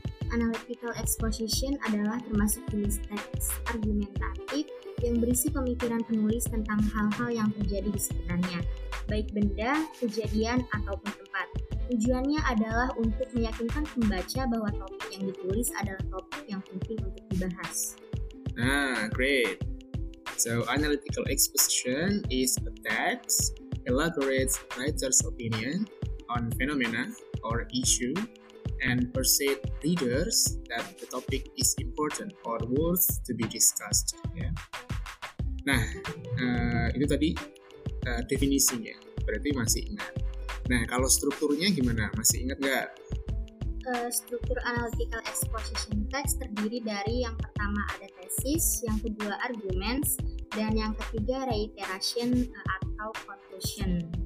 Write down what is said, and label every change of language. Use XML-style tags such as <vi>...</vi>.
<id>Analytical exposition adalah termasuk jenis teks argumentatif yang berisi pemikiran penulis tentang hal-hal yang terjadi di sekitarnya, baik benda, kejadian, ataupun tempat. Tujuannya adalah untuk meyakinkan pembaca bahwa topik yang ditulis adalah topik yang penting untuk dibahas. Nah, great.</id> <en>So, analytical exposition is a text elaborates writer's opinion on phenomena or issue and persuade readers that the topic is important or worth to be discussed. Yeah.</en> <id>Nah, itu tadi definisinya. Berarti masih ingat. Nah, kalau strukturnya gimana? Masih ingat nggak? Struktur analytical exposition text terdiri dari yang pertama ada tesis, yang kedua arguments, dan yang ketiga reiteration atau conclusion.</id>